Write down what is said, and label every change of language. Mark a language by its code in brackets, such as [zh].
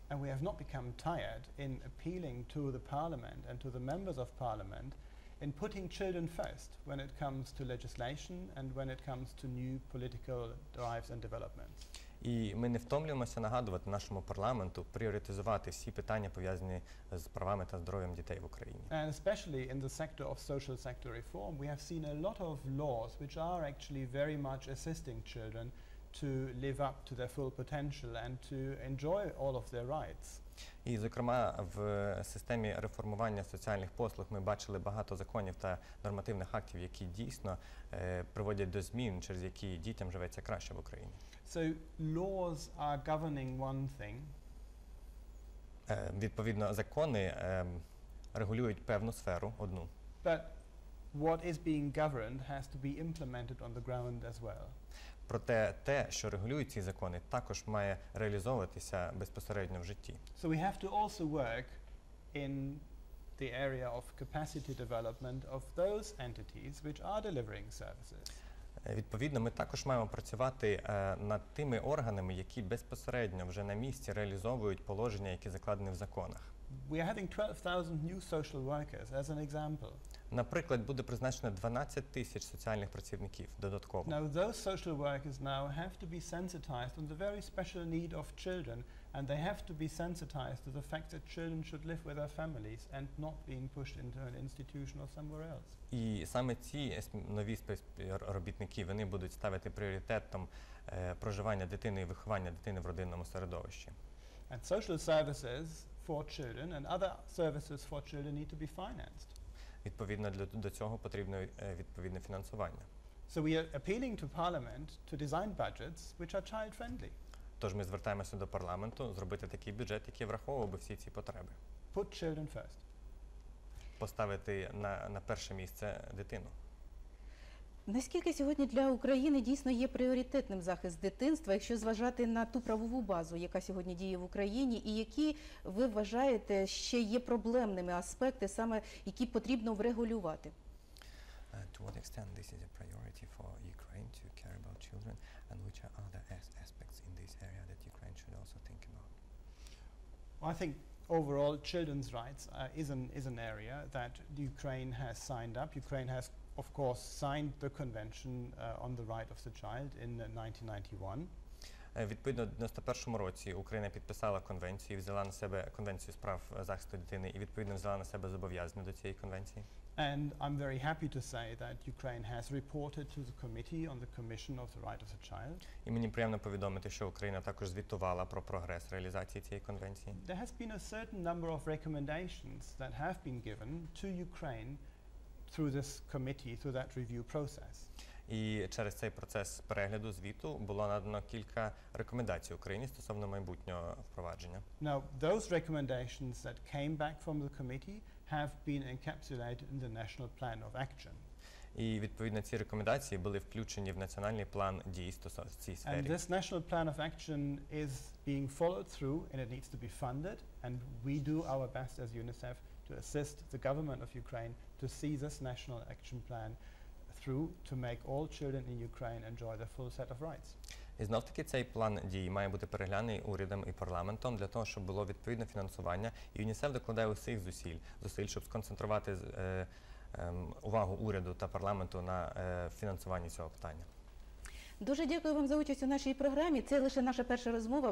[en] And we have not become tired in appealing to the parliament and to the members of parliament in putting children first when it comes to legislation and when it comes to new political drives and developments. [uk] І ми не втомлюємося нагадувати нашому парламенту пріоритизувати всі питання, пов'язані з правами та здоров'ям дітей в Україні. [en] And especially in the sector of social sector reform, we have seen a lot of laws which are actually very much assisting children to live up to their full potential and to enjoy all of their rights. [uk] І, зокрема, в системі реформування соціальних послуг ми бачили багато законів та нормативних актів, які дійсно приводять до змін, через які дітям живеться краще в Україні. [en] So laws are governing one thing. [uk] Відповідно, закони регулюють певну сферу одну. [en] But what is being governed has to be implemented on the ground as well. [uk] Проте те, що регулюють ці закони, також має реалізовуватися безпосередньо в житті. [en] So we have to also work in the area of capacity development of those entities which are delivering services. [uk] Відповідно, ми також маємо працювати над тими органами, які безпосередньо вже на місці реалізовують положення, які закладені в законах. [en] We are having 12,000 new social workers, as an example. [uk] Наприклад, буде призначено 12 тисяч соціальних працівників додатково. [en] Now those social workers now have to be sensitized on the very special need of children, and they have to be sensitized to the fact that children should live with their families and not being pushed into an institution or somewhere else. [uk] І саме ці нові робітники, вони будуть ставити пріоритетом проживання дитини і виховання дитини в родинному середовищі. [en] And social services for children and other services for children need to be financed. [uk] Відповідно, до цього потрібно відповідне фінансування. [en] So we are appealing to parliament to design budgets which are child friendly. [uk] Тож ми звертаємося до парламенту зробити такий бюджет, який враховував би всі ці потреби. [en] Put children first. [uk] Поставити на перше місце дитину. Наскільки сьогодні для України дійсно є пріоритетним захист дитинства, якщо зважати на ту правову базу, яка сьогодні діє в Україні, і які ви вважаєте ще є проблемними аспекти, саме які потрібно врегулювати? [en] To what extent this is a priority for Ukraine to care about children, and which are other aspects in this area that Ukraine should also think about? Well, I think overall children's rights is an area that Ukraine has signed up. Ukraine has of course signed the convention on the right of the child in 1991. [uk] Відповідно, в 91-му році Україна підписала конвенцію, взяла на себе конвенцію з прав захисту дитини і відповідно взяла на себе зобов'язання до цієї конвенції. [en] And I'm very happy to say that Ukraine has reported to the committee on the commission of the right of the child. [uk] І мені приємно повідомити, що Україна також звітувала про прогрес реалізації цієї конвенції. [en] There has been a certain number of recommendations that have been given to Ukraine through this committee, through that review process. [uk] І через цей процес перегляду звіту було надано кілька рекомендацій Україні стосовно майбутнього впровадження. [en] Now, those recommendations that came back from the committee have been encapsulated in the National Plan of Action. [uk] І відповідно ці рекомендації були включені в національний план дій стосовно цієї сфери. [en] And this National Plan of Action is being followed through and it needs to be funded, and we do our best as UNICEF to assist the government of Ukraine to see this national action plan through to make all children in Ukraine enjoy the full set of rights. [uk] І знов-таки цей план дій має бути переглянений урядом і парламентом для того, щоб було відповідне фінансування. І ЮНІСЕФ докладає усіх зусиль, щоб сконцентрувати увагу уряду та парламенту на фінансування цього питання. Дуже дякую вам за участь у нашій програмі. Це лише наша перша розмова.